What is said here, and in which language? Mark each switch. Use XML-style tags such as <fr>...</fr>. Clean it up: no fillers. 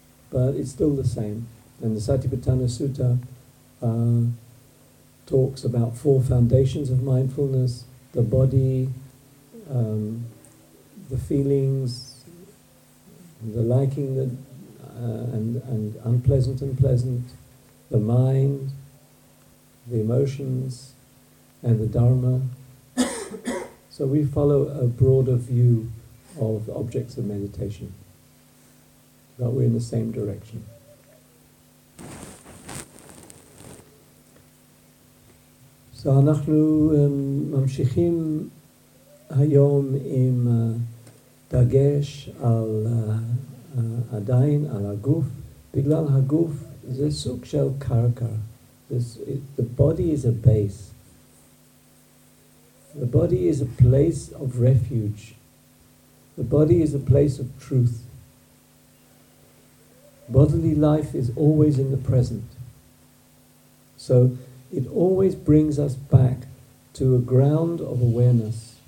<en>But it's still the same. And the Satipatthana Sutta talks about four foundations of mindfulness: the body, the feelings, the liking that, and unpleasant and pleasant, the mind, the emotions, and the Dharma. So we follow a broader view of objects of meditation, but we're in the same direction.</en> <he>So אנחנו ממשיכים היום עם דגש על עדיין על הגוף, בגלל הגוף זה סוג של קרקע.</he> <en>The body is a base. The body is a place of refuge. The body is a place of truth. Bodily life is always in the present. So it always brings us back to a ground of awareness.</en>